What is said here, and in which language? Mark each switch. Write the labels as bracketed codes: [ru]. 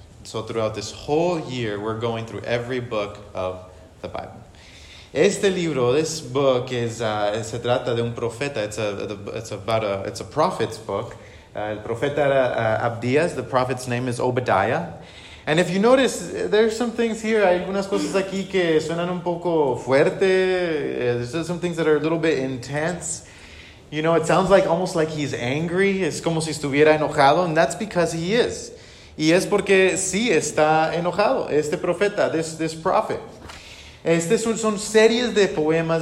[en] So throughout this whole year, we're going through every book of the Bible. [es] Este libro, [en] this book, [es] se trata de un profeta. [en] It's a prophet's book. [es] El profeta era Abdías. [en] The prophet's name is Obadiah. And if you notice, there's some things here. [es] Hay algunas cosas aquí que suenan un poco fuerte. [en] There's some things that are a little bit intense. You know, it sounds like almost like he's angry. [es] Es como si estuviera enojado. [en] And that's because he is. [es] Y es porque sí está enojado. Este profeta, [en] this prophet. [es] Estas son series de poemas.